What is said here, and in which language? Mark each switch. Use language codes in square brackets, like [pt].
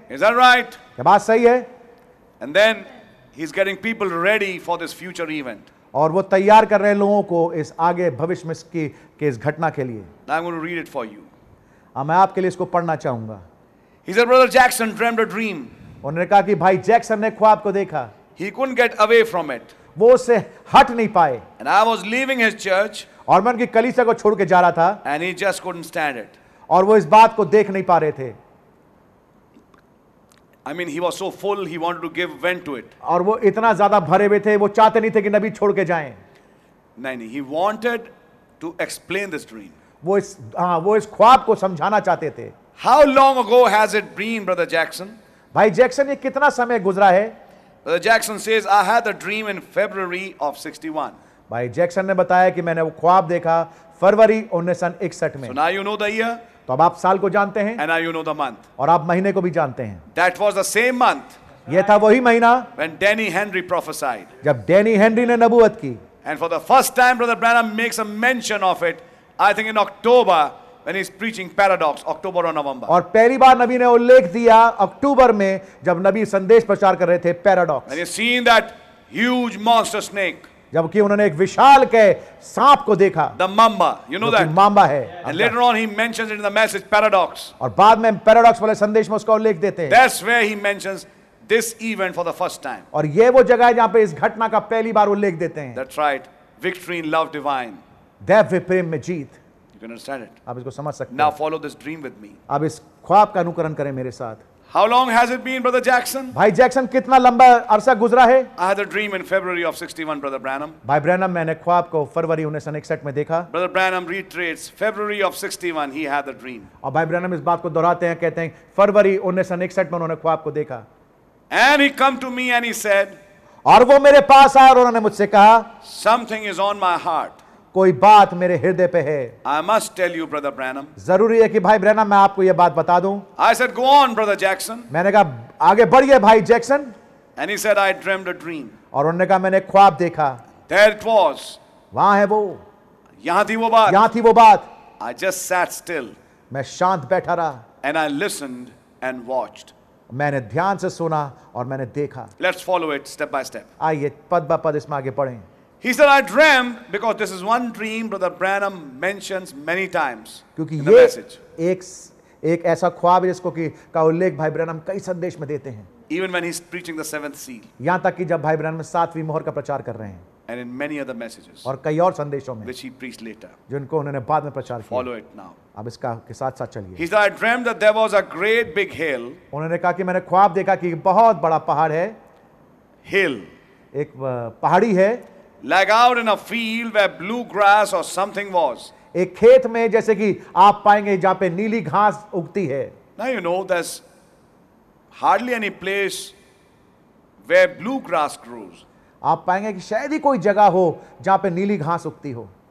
[en] Is that right? [hi] क्या बात सही है? [en] And then he's getting people ready for this future event. [hi] और वो तैयार कर रहे हैं लोगों को इस आगे भविष्य में की इस घटना के लिए. [en] I'm going to read it for you. [hi] मैं आपके लिए इसको पढ़ना चाहूंगा. [en] He said, Brother Jackson dreamed a dream. [hi] उन्होंने कहा कि भाई जैक्सन ने ख्वाब को देखा. [en] He couldn't get away from it. [hi] वो उसे हट नहीं पाए. [en] And I was leaving his church. [hi] और मैं उनकी कलीसिया को छोड़ के जा रहा था. [en] And he just couldn't stand it. [hi] और वो इस बात को देख नहीं पा रहे थे. [en] I mean, he was so full, he wanted to give vent to it. [hi] और वो इतना ज्यादा भरे हुए थे, वो चाहते नहीं थे कि नबी छोड़ के जाएं. नहीं, नहीं, [en] he wanted to explain this dream. [hi] वो इस ख्वाब को समझाना चाहते थे. [en] How long ago has it been, Brother Jackson? [hi] भाई जैक्सन, ये कितना समय गुजरा है? [en] Brother Jackson says, I had a dream in February of 61. [hi] भाई जैक्सन ने बताया कि मैंने वो ख्वाब देखा फरवरी 1961 में. [en] So now you know the year. [hi] तो अब आप साल को जानते हैं. [en] And now you know the month. [hi] और आप महीने को भी जानते हैं. [en] That was the same month. [hi] ये था वही महीना. [en] When Danny Henry prophesied. [hi] जब डेनी हेनरी ने नबुवत की. [en] And for the first time, Brother Branham makes a mention of it. I think in October, when he's preaching paradox, October or November. [hi] और पहली बार नबी ने उल्लेख दिया अक्टूबर में, जब नबी संदेश प्रचार कर रहे थे paradox. [en] And he's seen that huge monster snake. [hi] जबकि उन्होंने एक विशाल के सांप को देखा. [en] The Mamba, you know that. [hi] Mamba है. [en] And later on he mentions it in the message paradox. [hi] और बाद में paradox वाले संदेश में उसका उल्लेख देते हैं. [en] That's where he mentions this event for the first time. [hi] और ये वो जगह है जहाँ पे इस घटना का पहली बार उल्लेख देते हैं. [en] That's right. Victory in love divine. [hi] देव प्रेम में जीत. [en] You can understand it. [hi] आप इसको समझ सकते हैं. [en] Now follow this dream with me. [hi] आप इस ख्वाब का अनुकरण करें मेरे साथ. [en] How long has it been, Brother Jackson? [hi] भाई जैक्सन, कितना लंबा अरसा गुजरा है? [en] I had a dream in February of 61, Brother Branham. [hi] भाई ब्रैनम, मैंने ख्वाब को फरवरी 1961 में देखा. [en] Brother Branham reiterates, February of 61, he had a dream. [hi] और भाई ब्रैनम इस बात को दोहराते हैं, कहते हैं फरवरी 1961 में उन्होंने ख्वाब को देखा. [en] And he come to me and he said, [hi] और वो मेरे पास आया और उन्होंने मुझसे कहा, [en] Something is on my heart. [hi] कोई बात मेरे हृदय पे है. [en] I must tell you, Brother Branham. [hi] जरूरी है कि भाई ब्रैनम, मैं आपको यह बात बता दूं. [en] I said, go on, Brother Jackson. [hi] मैंने कहा, आगे बढ़िए भाई Jackson. [en] And he said, I dreamed a dream. [hi] और उन्होंने कहा, मैंने ख्वाब देखा. [en] There it was. [hi] वहां है वो. यहां थी वो बात. [en] I just sat still. [hi] मैं शांत बैठा रहा. [en] And I listened and watched. [hi] मैंने ध्यान से सुना और मैंने देखा. [en] Let's follow it step by step. [hi] आइए पद ब पद इसमें आगे पढ़ें. [en] He said, "I dreamt because this is one dream Brother Branham mentions many times in the message." [hi] एक ऐसा ख्वाब है जिसको कि का उल्लेख भाई ब्रैनम कई संदेश में देते हैं. [en] Even when he's preaching the seventh seal. [hi] यहाँ तक कि जब भाई ब्रैनम सातवीं मोहर का प्रचार कर रहे हैं. [en] And in many other messages. [hi] और कई और संदेशों में. [en] Which he preached later. [hi] जिनको उन्होंने बाद में प्रचार किया. [en] Follow it now. [hi] अब इसका के साथ साथ चलिए. [en] He said, "I dreamt that there was a great big hill." [hi] उन्होंने कहा कि मैंने ख्वाब देखा कि बहुत बड़ा पहाड़ है. [en] Hill. [hi] एक पहाड़ी है. [en] Like out in a field where blue grass or something was. [hi] एक खेत में जैसे कि आप पाएंगे जहाँ पे नीली घास उगती है. [en] Now you know there's hardly any place where blue grass grows. [hi] आप पाएंगे कि शायद ही कोई जगह हो जहाँ पे नीली घास उगती हो.